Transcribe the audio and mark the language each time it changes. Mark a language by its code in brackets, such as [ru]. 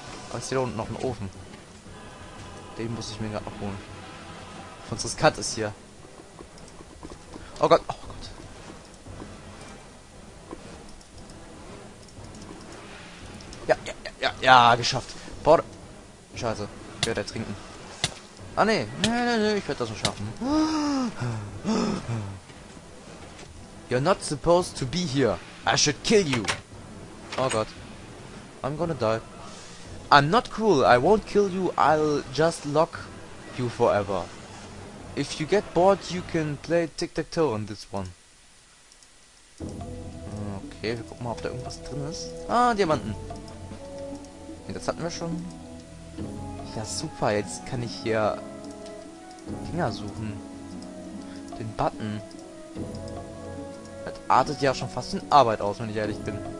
[de] Aber ist hier unten noch ein Ofen. Den muss ich mir gerade noch holen. Sonst riskant ist hier. Oh Gott. Oh Gott. Ja, ja, ja, ja, ja, geschafft. Boah. Scheiße. Ich werde ertrinken. Ah ne. Nee, nee, nee. Ich werde das noch schaffen. [en] You're not supposed to be here. I should kill you. [de] Oh Gott. [en] I'm gonna die. I'm not cruel. I won't kill you. I'll just lock you forever. If you get bored, you can play tic-tac-toe on this one. [de] Okay, wir gucken mal, ob da irgendwas drin ist. Ah, Diamanten. Nee, das hatten wir schon. Ja, super. Jetzt kann ich hier Dinger suchen. Den Button. Das artet ja schon fast in Arbeit aus, wenn ich ehrlich bin.